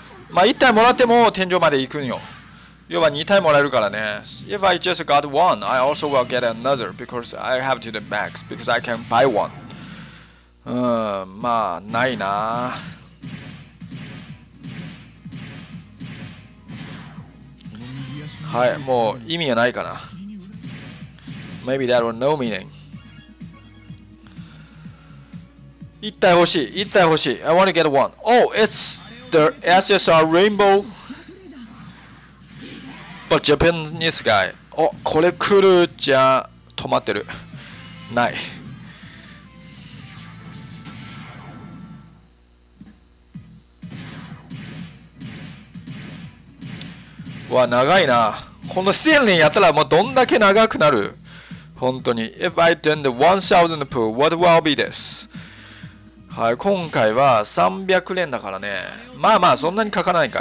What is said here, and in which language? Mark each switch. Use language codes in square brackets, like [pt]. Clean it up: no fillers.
[ja] まあ1体もらっても天井まで行くんよ。要は2体もらえるからね。 [en] If I just got one, I also will get another because I have to the max because I can buy one. [ja] まあないな。はい、もう意味はないかな。 [en] Maybe that will no meaning. [ja] 1体欲しい、1体欲しい。 [en] I want to get one. Oh, it's the SSR Rainbow. But Japanese guy. Oh, [ja] これ来るじゃん。止まってる。ない。わ、長いな。このセーリンやったらもうどんだけ長くなる。本当に。 [en] If I turn the 1000 pool, what will be this? [ja] はい、今回は300連だからね。まあまあそんなにかからないか。